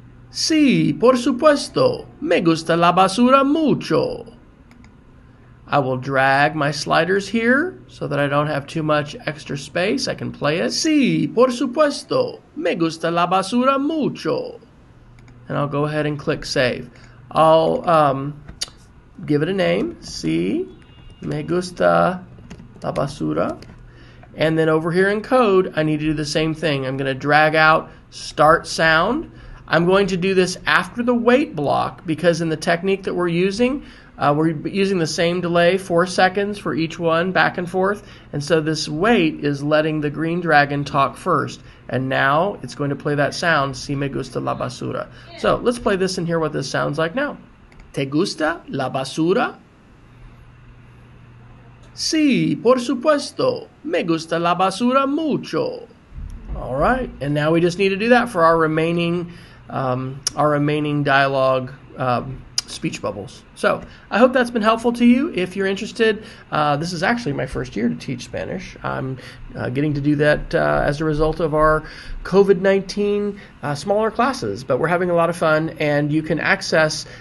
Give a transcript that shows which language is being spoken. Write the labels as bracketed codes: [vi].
[es] Sí, por supuesto, me gusta la basura mucho. [en] I will drag my sliders here so that I don't have too much extra space. I can play it. [es] Sí, por supuesto, me gusta la basura mucho. [en] And I'll go ahead and click save. I'll give it a name. [es] Sí, me gusta la basura. [en] And then over here in code, I need to do the same thing. I'm going to drag out start sound. I'm going to do this after the wait block, because in the technique that we're using the same delay, 4 seconds for each one back and forth. And so this wait is letting the green dragon talk first. And now it's going to play that sound, [es] "Si me gusta la basura." [en] So let's play this and hear what this sounds like now. [es] ¿Te gusta la basura? Sí, por supuesto, me gusta la basura mucho. [en] All right, and now we just need to do that for our remaining dialogue speech bubbles. So I hope that's been helpful to you. If you're interested, this is actually my first year to teach Spanish. I'm getting to do that as a result of our COVID-19 smaller classes, but we're having a lot of fun, and you can access